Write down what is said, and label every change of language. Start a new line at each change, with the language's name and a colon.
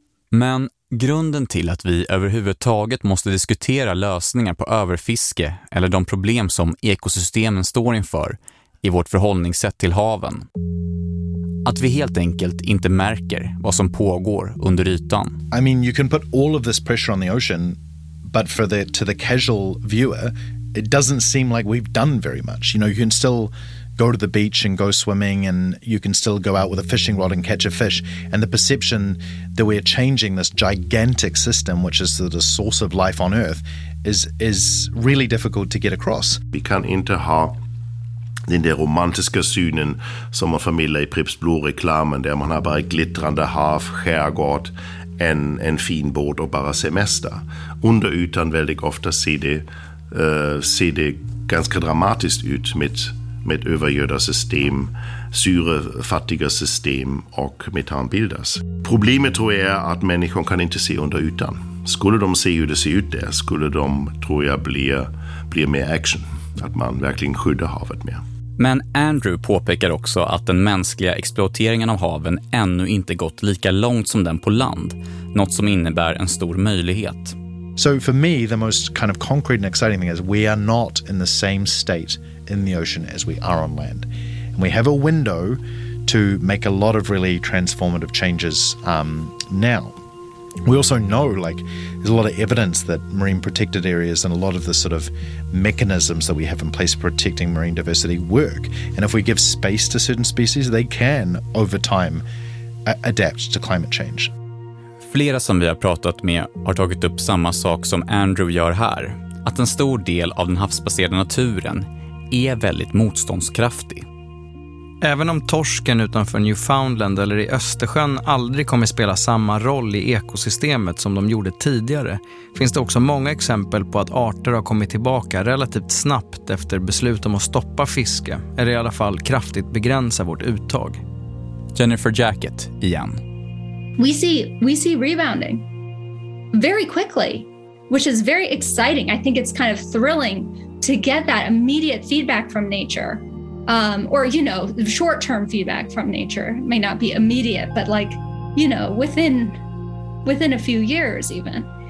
Swedish: Men grunden till att vi överhuvudtaget måste diskutera lösningar på överfiske eller de problem som ekosystemen står inför i vårt förhållningssätt till haven. Att vi helt enkelt inte märker vad som pågår under ytan.
English: I mean, you can put all of this pressure on the ocean, but for the to the casual viewer, it doesn't seem like we've done very much. You know, you can still go to the beach and go swimming, and you can still go out with a fishing rod and catch a fish. And the perception that we're changing this gigantic system, which is the source of life on Earth, is really difficult to get across.
Swedish: Vi kan inte ha den där romantiska synen som man förmedlar i Pripps Blå-reklamen, där man har bara glittrande hav, skärgård, en fin båt och bara semester. Under ytan väldigt ofta ser det ganska dramatiskt ut med övergödda system, syrefattiga system och metanbildas. Problemet tror jag är att människor kan inte se under ytan. Skulle de se hur det ser ut där, skulle de, tror jag, bli mer action. Att man verkligen skyddar havet mer. Men Andrew påpekar också att den mänskliga exploateringen av haven ännu inte gått lika långt som den på land. Något som innebär en stor möjlighet.
English: So for me, the most kind of concrete and exciting thing is we are not in the same state in the ocean as we are on land. And we have a window to make a lot of really transformative changes now. We also know, like, there's a lot of evidence that marine protected areas and a lot of the sort of mechanisms that we have in place protecting marine diversity work. And if we give space to certain species, they can, over time, adapt to climate change.
Swedish: Flera som vi har pratat med har tagit upp samma sak som Andrew gör här. Att en stor del av den havsbaserade naturen är väldigt motståndskraftig. Även om torsken utanför Newfoundland eller i Östersjön aldrig kommer spela samma roll i ekosystemet som de gjorde tidigare, finns det också många exempel på att arter har kommit tillbaka relativt snabbt efter beslut om att stoppa fiske, eller i alla fall kraftigt begränsa vårt uttag. Jennifer Jacket igen.
English: We see rebounding very quickly, which is very exciting. I think it's kind of thrilling to get that immediate feedback from nature. Or, you know, short-term feedback from nature. It may not be immediate, but like, you know, within a few years even.